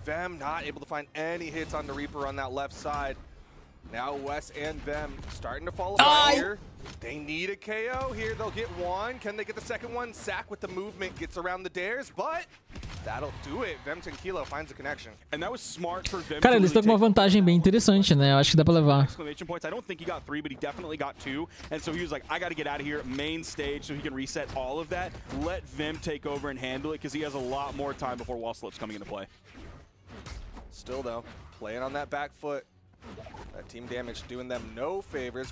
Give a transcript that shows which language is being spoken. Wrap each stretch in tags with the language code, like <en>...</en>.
<en>Vim not able to find any hits on the Reaper on that left side. Now Wes and Vim starting to fall apart here. They need a KO here. They'll get one. Can they get the second one? Sack with the movement gets around the dares, but that'll do it. Vim Tranquilo finds a connection. And that was smart for Vim.</en> <pt>Cara, eles estão com uma vantagem bem interessante, né? Eu acho que dá pra levar.</pt> <en>Exclamation points. I don't think he got three, but he definitely got two. And so he was like, I gotta get out of here, main stage, so he can reset all of that. Let Vim take over and handle it, because he has a lot more time before wall slips coming into play. Still, though, playing on that back foot. That team damage doing them no favors.</en>